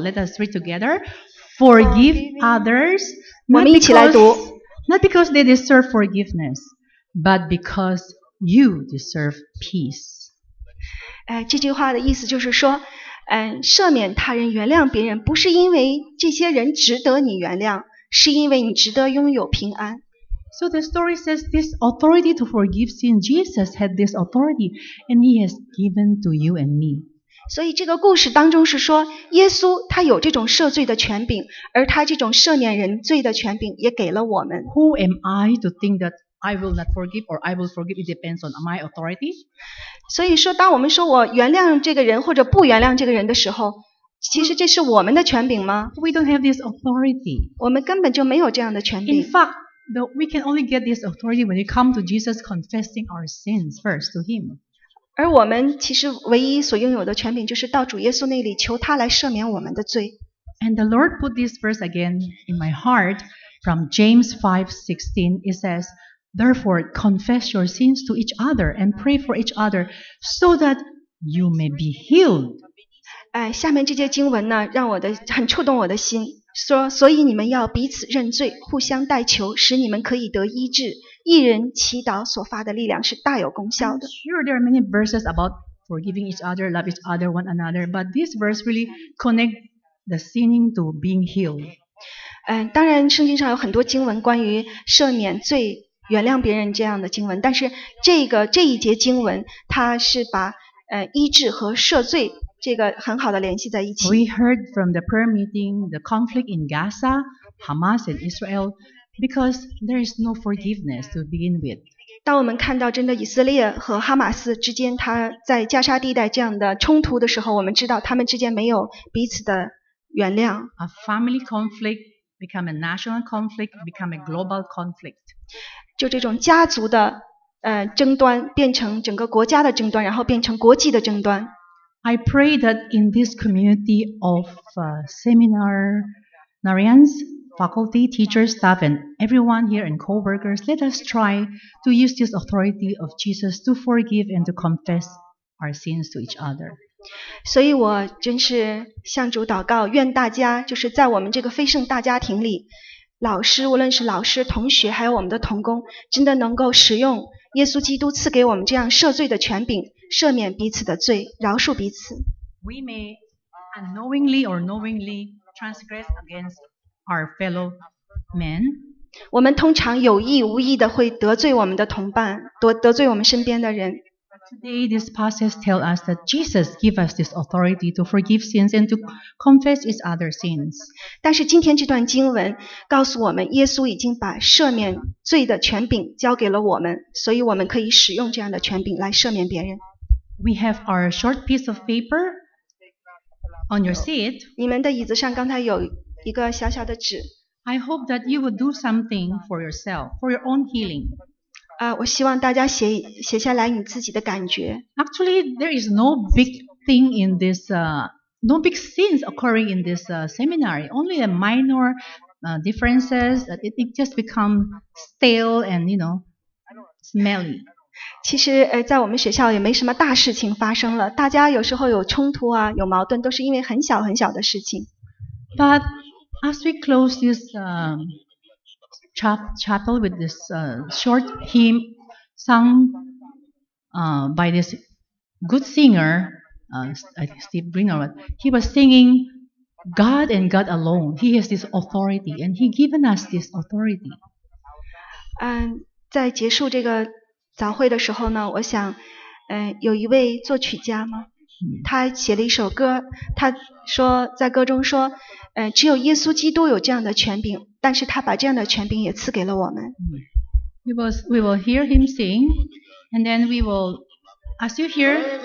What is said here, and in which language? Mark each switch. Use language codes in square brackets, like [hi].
[en] Let us read together. Forgive others, not because they deserve forgiveness, but because you deserve peace. [zh] 这句话的意思就是说，赦免他人，原谅别人，不是因为这些人值得你原谅，是因为你值得拥有平安。 [en] So the story says this authority to forgive sin, Jesus had this authority and he has given to you and me. [zh] 所以这个故事当中是说耶稣他有这种赦罪的权柄，而他这种赦免人罪的权柄也给了我们。 [en] Who am I to think that I will not forgive or I will forgive? It depends on my authority. [zh] 所以说当我们说我原谅这个人或者不原谅这个人的时候，其实这是我们的权柄吗？ [en] We don't have this authority. [zh] 我们根本就没有这样的权柄。 [en] In fact,Though we can only get this authority when we come to Jesus confessing our sins first to Him. [zh] 而我们其实唯一所拥有的权柄就是到主耶稣那里求他来赦免我们的罪。 [en] And the Lord put this verse again in my heart from James 5:16. It says, "Therefore, confess your sins to each other and pray for each other, so that you may be healed." [zh] 下面这节经文呢，让我的很触动我的心。说，所以你们要彼此认罪，互相代求，使你们可以得医治。一人祈祷所发的力量是大有功效的。 [en] Sure, there are many verses about forgiving each other, love each other, one another, but this verse really connect the sinning to being healed. [zh] 当然，圣经上有很多经文关于赦免罪、原谅别人这样的经文，但是这一节经文，它是把医治和赦罪。这个很好的联系在一起。 [en] We heard from the prayer meeting the conflict in Gaza, Hamas and Israel, because there is no forgiveness to begin with. [zh] 当我们看到真的以色列和哈马斯之间他在加沙地带这样的冲突的时候，我们知道他们之间没有彼此的原谅。 [en] A family conflict become a national conflict, become a global conflict. [zh] 就这种家族的争端变成整个国家的争端，然后变成国际的争端。 [en] I pray that in this community of seminarians, faculty, teachers, staff, and everyone here and co-workers, let us try to use this authority of Jesus to forgive and to confess our sins to each other. [zh] 所以我真是向主祷告，愿大家就是在我们这个非圣大家庭里，老师，无论是老师、同学，还有我们的同工，真的能够使用耶稣基督赐给我们这样赦罪的权柄。赦免彼此的罪，饶恕彼此。 [en] We may unknowingly or knowingly transgress against our fellow men. [zh] 我们通常有意无意的会得罪我们的同伴，得罪我们身边的人。 [en] Today, this passage tells us that Jesus gave us this authority to forgive sins and to confess each other's sins. [zh] 但是今天这段经文告诉我们，耶稣已经把赦免罪的权柄交给了我们，所以我们可以使用这样的权柄来赦免别人。 [en] We have our short piece of paper on your seat. [zh] 你们的椅子上刚才有一个小小的纸。 [en] I hope that you will do something for yourself, for your own healing. [zh] 我希望大家写下来你自己的感觉。 [en] Actually, there is no big thing in this, no big sins occurring in this seminary. Only a minor differences. It just become stale and you know, smelly. [zh] 其实在我们学校也没什么大事情发生了，大家有时候有冲突啊，有矛盾，都是因为很小很小的事情。 [en] But as we close this chapel with this short hymn sung by this good singer, Steve Greenwood, he was singing God and God alone. He has this authority and he given us this authority. [zh] 在结束这个早会的时候呢，我想，有一位作曲家吗？他写了一首歌，他说在歌中说，只有耶稣基督有这样的权柄，但是他把这样的权柄也赐给了我们。 [en] We will hear him sing, and then we will, as you hear,